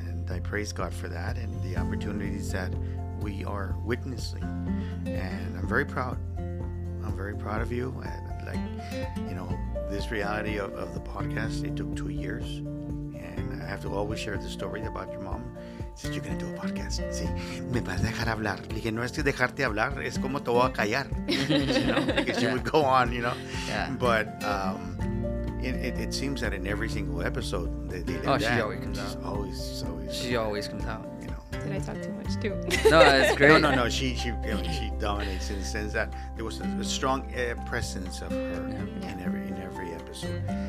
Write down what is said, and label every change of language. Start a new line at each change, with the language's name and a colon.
English: I praise God for that and the opportunities that we are witnessing. And I'm very proud. I'm very proud of you. And like, you know, this reality of the podcast, it took 2 years. And I have to always share the story about your mom. Since you're going to do a podcast.
Spanish: Sí. Me vas a dejar hablar. Le dije, no es que dejarte hablar, es como te voy a callar.
English: You know, because she would go on, you know. Yeah. But it seems that in every single episode, they oh, she dad, always comes out. She always comes out. You know. Did I talk too much too? No, that's great. No. She dominates in the sense that there was a strong presence of her in every episode.